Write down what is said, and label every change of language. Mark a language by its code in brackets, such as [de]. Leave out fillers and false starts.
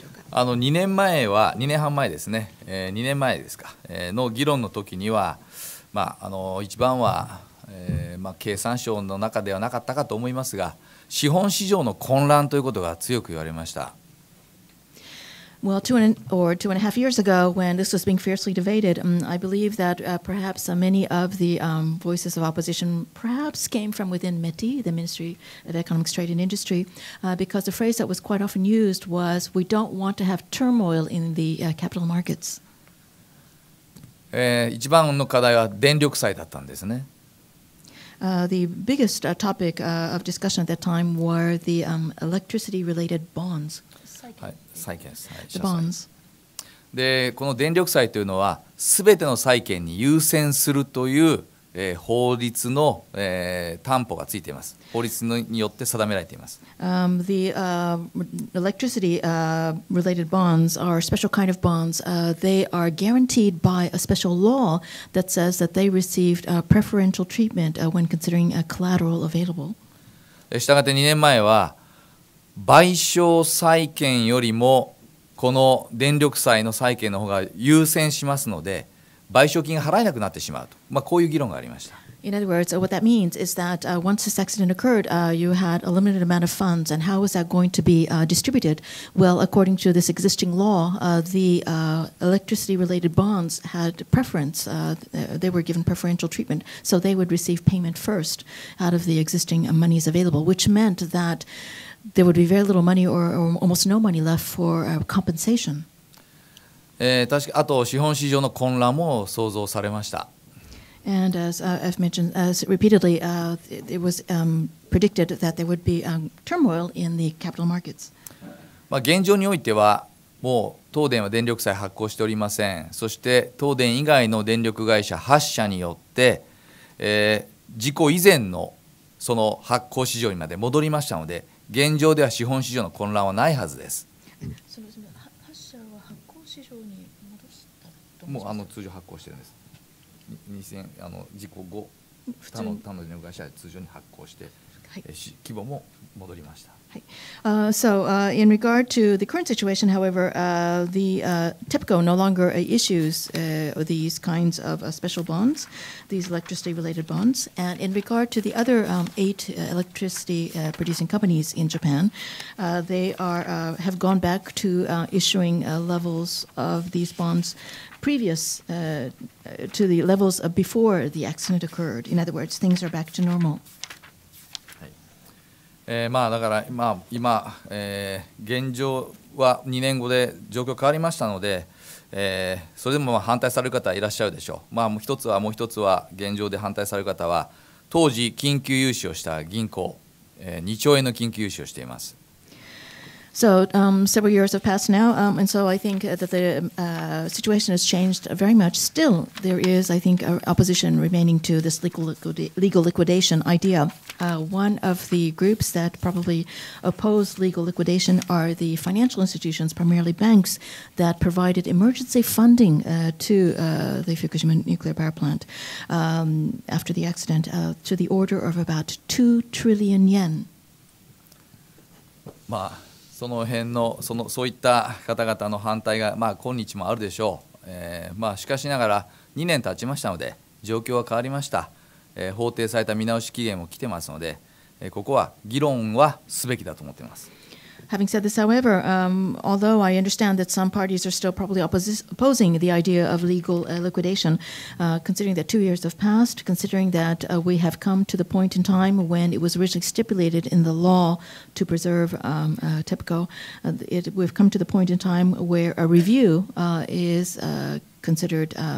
[ja] 2年前は、2年半前ですね、2年前ですか、の議論の時には、まあ、一番は、経産省の中ではなかったかと思いますが、資本市場の混乱ということが強く言われました。 [en] Well, two and a half years ago, when this was being fiercely debated, I believe that perhaps many of the voices of opposition perhaps came from within METI, the Ministry of Economics, Trade and Industry, because the phrase that was quite often used was, we don't want to have turmoil in the capital markets. [ja] 一番の課題は電力債だったんですね。 [en] the biggest topic of discussion at that time were the electricity related bonds. [ja] Saikens. [en] The bonds. [ja] でこの電力債というのは全ての債権に優先するという、法律の、担保がついています。法律によって定められています。 [en] The electricity related bonds are a special kind of bonds. They are guaranteed by a special law that says that they received preferential treatment when considering a collateral available. [ja] したがって2年前は賠償債権よりもこの電力債の債権の方が優先しますので賠償金が払えなくなってしまうと、まあ、こういう議論がありました。 [en] In other words, what that means is that once this accident occurred, you had a limited amount of funds, and how is that going to be distributed? Well, according to this existing law, the electricity related bonds had preference, they were given preferential treatment, so they would receive payment first out of the existing monies available, which meant thatThere would be very little money or almost no money left for compensation. [ja] 確かあと資本市場の混乱も想像されました。 [en] And as I've mentioned repeatedly, it was predicted that there would be turmoil in the capital markets. [ja] まあ現状においてはもう東電は電力債発行しておりません。そして東電以外の電力会社8社によって、事故以前のその発行市場にまで戻りましたので。現状では資本市場の混乱はないはずです。発社は発行市場に戻したと。もう通常発行してるんです。事故後、他の電力会社は通常に発行して、はい、規模も戻りました。はい。 [en] In regard to the current situation, however, TEPCO no longer issues these kinds of special bonds, these electricity-related bonds. And in regard to the other eight electricity-producing companies in Japan, they are have gone back to issuing levels of these bonds previous to the levels before the accident occurred. In other words, things are back to normal. [ja] まあだから今現状は2年後で状況変わりましたので、それでも反対される方はいらっしゃるでしょう。まあもう一つは現状で反対される方は当時緊急融資をした銀行、2兆円の緊急融資をしています。 [en] So several years have passed now, and so I think that the situation has changed very much. Still, there is, I think, opposition remaining to this legal liquidation idea. One of the groups that probably oppose legal liquidation are the financial institutions, primarily banks, that provided emergency funding to the Fukushima nuclear power plant after the accident to the order of about 2 trillion yen. [ja] まあ、その辺の、その、そういった方々の反対が、まあ、今日もあるでしょう。まあ、しかしながら2年経ちましたので状況は変わりました。法定された見直し期限も来てますので、ここは議論はすべきだと思っています。 [en] Having said this, however, although I understand that some parties are still probably opposing the idea of legal liquidation, considering that 2 years have passed, considering that we have come to the point in time when it was originally stipulated in the law to preserve TEPCO, we've come to the point in time where a review is considered.